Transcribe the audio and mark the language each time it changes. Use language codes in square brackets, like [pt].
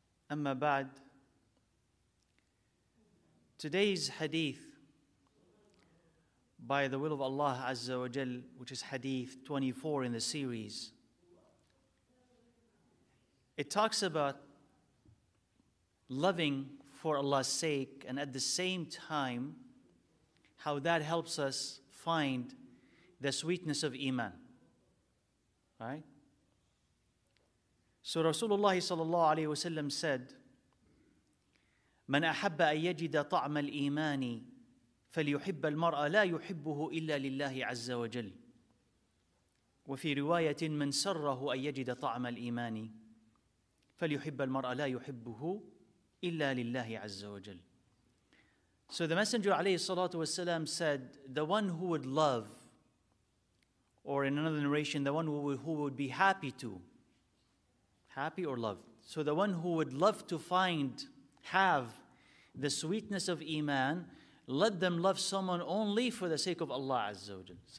[ar] أما بعد, [en] today's hadith, by the will of Allah Azza wa Jal, which is hadith 24 in the series, it talks about loving for Allah's sake and at the same time how that helps us find the sweetness of iman, right? So Rasulullah sallallahu alayhi wa sallam said, [ar] من أحب أن يجد طعم الإيمان فليحب المرأة لا يحبه إلا لله عز وجل. وفي رواية من سره أن يجد طعم الإيمان فليحب المرأة لا يحبه إلا لله عز وجل. [en] So the Messenger [ar] عليه الصلاة والسلام [en] said, the one who would love, or in another narration, the one who would be happy to, happy or loved. So the one who would love to find, have the sweetness of iman, let them love someone only for the sake of Allah Azza wa Jal.